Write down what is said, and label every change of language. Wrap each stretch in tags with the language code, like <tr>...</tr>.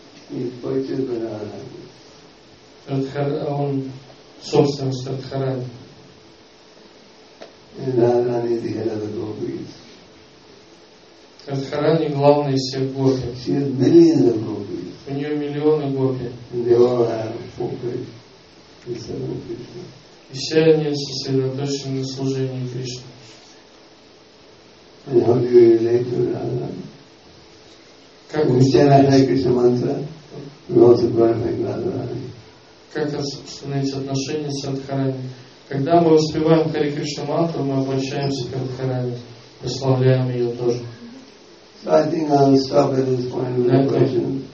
<en>He fights with Радхарани.</en> <ru>Он собственность Радхарани.</ru> <en>Радхарани is the head of the gopis.</en> <ru>Радхарани главный из всех гопи.</ru> <en>She has millions of gopis.</en> <ru>У нее миллионы гопи.</ru> <en>And they all have focused in serving Krishna.</en> <ru>И все они сосредоточены на служении Кришне.</ru> <en>And how do you relate to Radharani?</en> <ru>Как установить отношения с Радхарани? Когда мы воспеваем Хари Кришна мантру, мы обращаемся к Радхарани, прославляем ее тоже.</ru> <en>So I think I'll stop at this point with the question.</en>